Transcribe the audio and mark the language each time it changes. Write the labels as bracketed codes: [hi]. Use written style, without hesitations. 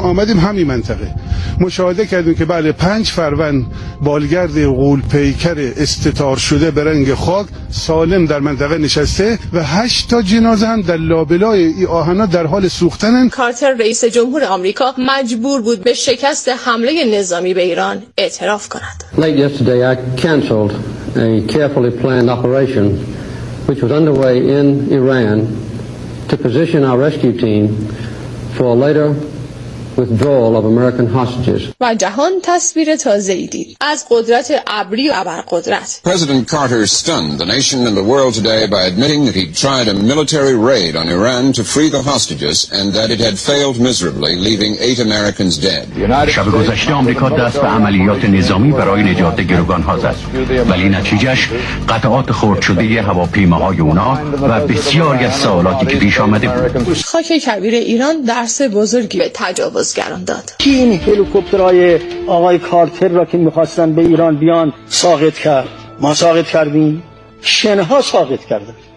[fa] آمدیم همین منطقه مشاهده کردیم که بله، 5 فروند بالگرد غول پیکر استتار شده به رنگ خاک سالم در منطقه نشسته و 8 جنازه هم در لابلای ای آهنا در حال سوختنن. کارتر رئیس جمهور آمریکا مجبور بود به شکست حمله نظامی به ایران اعتراف کند. [en] Late yesterday I canceled a carefully planned operation which was underway in Iran to position our rescue team for later withdrawal of American hostages. [fa] و جهان تصویر تازه‌ای دید از قدرت ابری و ابرقدرت. [en] President Carter stunned the nation and the world today by admitting that he tried a military raid on Iran to free the hostages and that it had failed miserably, leaving 8 Americans dead. [fa] شب گذشته آمریکا دست به عملیات نظامی برای نجات گروگان‌ها زد، ولی نتیجه‌اش قطعات خرد شده هواپیماهای اونا و بسیاری از سوالاتی که پیش آمده بود. خاک کویر ایران درس بزرگی به تجاوز بازگران داد. کی این هلیکوپترهای آقای کارتر را که میخواستن به ایران بیان ساقط کرد؟ ما ساقط کردیم؟ شنها ساقط کرده.